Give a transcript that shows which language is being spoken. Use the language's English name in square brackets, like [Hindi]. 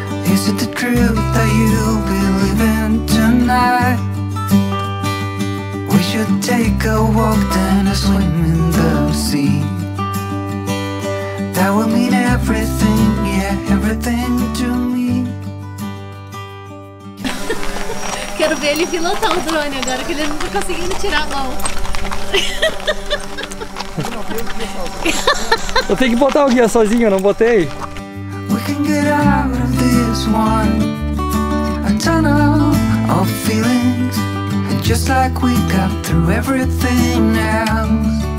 [English] Is it the truth that you'll be living tonight? We should take a walk then a swim in the sea. That will mean everything, yeah, everything to me. [Portuguese] Quero ver ele pilotar o drone agora que ele não tá conseguindo tirar a mão. Eu tenho que botar o guia sozinho, eu não botei. [English] We can get out of this one. A tunnel of feelings. And just like we got through everything else.